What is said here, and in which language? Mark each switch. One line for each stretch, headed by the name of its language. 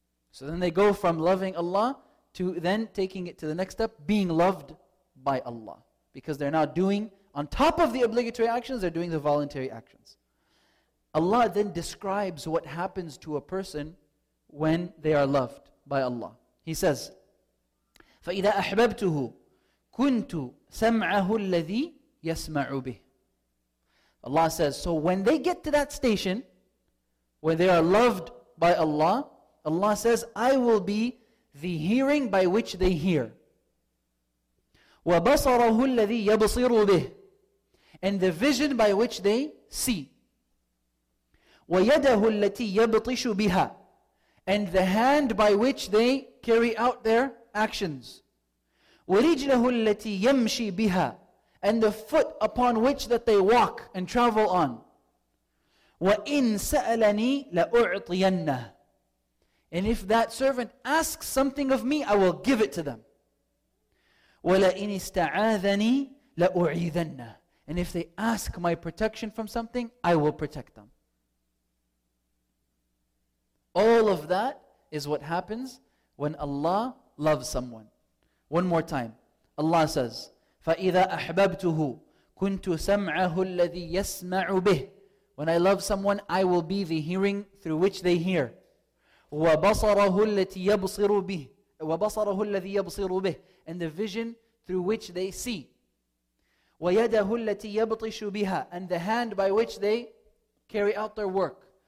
English: So then they go from loving Allah to then taking it to the next step, being loved by Allah. Because they're now doing, on top of the obligatory actions, they're doing the voluntary actions. Allah then describes what happens to a person when they are loved by Allah. He says,
Arabic: فَإِذَا أَحْبَبْتُهُ كُنْتُ سَمْعَهُ الَّذِي يَسْمَعُ بِهِ.
English: Allah says, so when they get to that station, when they are loved by Allah, Allah says, I will be the hearing by which they hear.
Arabic: وَبَصَرَهُ الَّذِي يَبْصِرُ بِهِ.
English: And the vision by which they see.
Arabic: وَيَدَهُ الَّتِي يَبْطِشُ بِهَا.
English: And the hand by which they carry out their actions.
Arabic: وَرِجْلَهُ الَّتِي يَمْشِي بِهَا.
English: And the foot upon which that they walk and travel on.
Arabic: وَإِن سَأَلَنِي لَأُعْطِيَنَّهُ.
English: And if that servant asks something of me, I will give it to them.
Arabic: وَلَئِنِ اسْتَعَاذَنِي لَأُعِيذَنَّهُ.
English: And if they ask my protection from something, I will protect them. All of that is what happens when Allah loves someone. One more time. Allah says,
Arabic: فَإِذَا أَحْبَبْتُهُ كُنْتُ سَمْعَهُ الَّذِي يَسْمَعُ بِهِ.
English: When I love someone, I will be the hearing through which they hear.
Arabic: وَبَصَرَهُ الَّتِي يَبْصِرُ بِهِ. وَبَصَرَهُ الَّذِي يَبْصِرُ بِهِ.
English: And the vision through which they see.
Arabic: وَيَدَهُ الَّتِي يَبْطِشُ بِهَا.
English: And the hand by which they carry out their work.